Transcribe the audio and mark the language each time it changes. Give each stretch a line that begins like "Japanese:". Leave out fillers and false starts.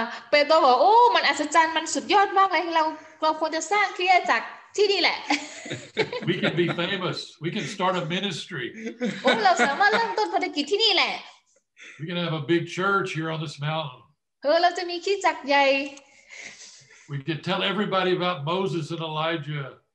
Thai: เปโตรบอกโอ้มันอัศจรรย์มันสุดยอดมากเลยเราควรจะสร้างคริสตจักรที่นี่แหละ
English: we can be famous we can start a ministry
Thai: โอ้เราสามารถเริ่มต้นภารกิจที่นี่แหละ
English: we can have a big church here on this mountain
Thai: เราจะมีคริสตจักรใหญ่
English: We could tell everybody about Moses and Elijah.